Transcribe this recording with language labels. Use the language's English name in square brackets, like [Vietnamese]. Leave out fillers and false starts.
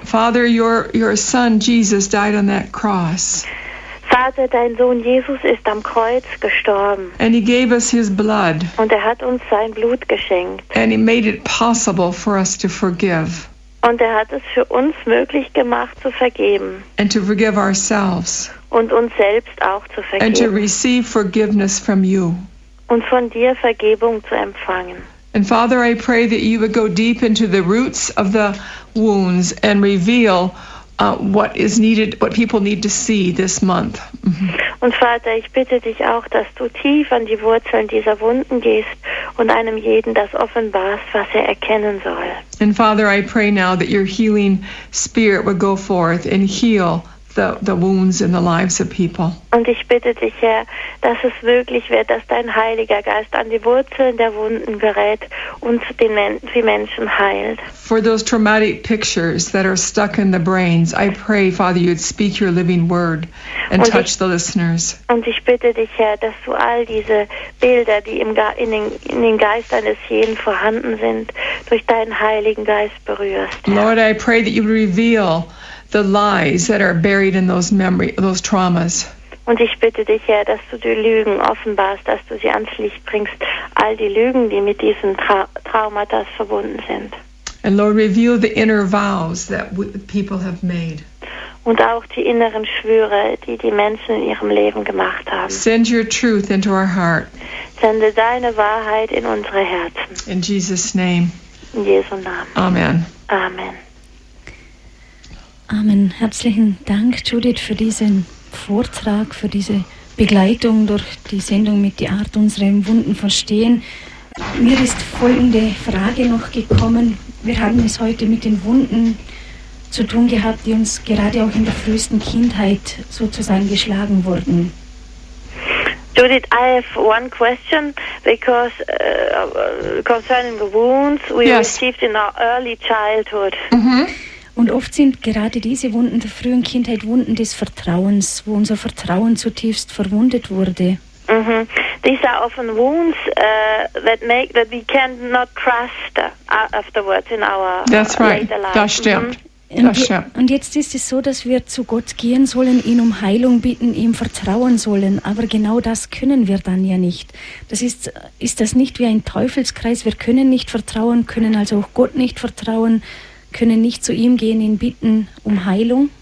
[English] Father, your son Jesus died on that cross. [German] Vater, dein Sohn Jesus ist am Kreuz gestorben. [English] And he gave us his blood. [German] Und er hat uns sein Blut geschenkt. [English] And he made it possible for us to forgive. [German] Und er hat es für uns möglich gemacht, zu vergeben. [English] And to forgive ourselves. [German] Und uns selbst auch zu vergeben. [English] And to receive forgiveness from you. [German] Und von dir Vergebung zu empfangen. [English] And Father, I pray that you would go deep into the roots of the wounds and reveal what is needed, what people need to see this month. [German] Und Vater, ich bitte dich auch, dass du tief an die Wurzeln dieser Wunden gehst und einem jeden das offenbarst, was er erkennen soll. [English] And Father, I pray now that your healing spirit would go forth and heal the wounds in the lives of people. [German] Und ich bitte dich, Herr, dass es möglich wird, dass dein Heiliger Geist an die Wurzeln der Wunden gerät und die Menschen heilt. [English] For those traumatic pictures that are stuck in the brains, I pray, Father, you'd speak your living word and touch the listeners. [German] Und ich bitte dich, Herr, dass du all diese Bilder, die in den Geistern des Jeden vorhanden sind, durch deinen Heiligen Geist berührst. Herr. [English] Lord, I pray that you reveal the lies that are buried in those memories, those traumas. [German] Und ich bitte dich, Herr, dass du die Lügen offenbarst, dass du sie ans Licht bringst, all die Lügen, die mit diesen Traumata verbunden sind. [English] And Lord, reveal the inner vows that people have made. [German] Und auch die inneren Schwüre, die die Menschen in ihrem Leben gemacht haben. [English] Send your truth into our heart. [German] Sende deine Wahrheit in unsere Herzen. [English] In Jesus' name. [German] In Jesu Namen. Amen. Amen. Amen. Herzlichen Dank, Judith, für diesen Vortrag, für diese Begleitung durch die Sendung mit die Art unserem Wunden verstehen. Mir ist folgende Frage noch gekommen. Wir haben es heute mit den Wunden zu tun gehabt, die uns gerade auch in der frühesten Kindheit sozusagen geschlagen wurden. [English] Judith, I have one question because concerning the wounds we received in our early childhood. [German] Und oft sind gerade diese Wunden der frühen Kindheit Wunden des Vertrauens, wo unser Vertrauen zutiefst verwundet wurde. [English] These are often wounds that we cannot trust afterwards in our later life. That's right. [German] Das stimmt. Und jetzt ist es so, dass wir zu Gott gehen sollen, ihn um Heilung bitten, ihm vertrauen sollen. Aber genau das können wir dann ja nicht. Das ist das nicht wie ein Teufelskreis? Wir können nicht vertrauen, können also auch Gott nicht vertrauen, können nicht zu ihm gehen, ihn bitten um Heilung.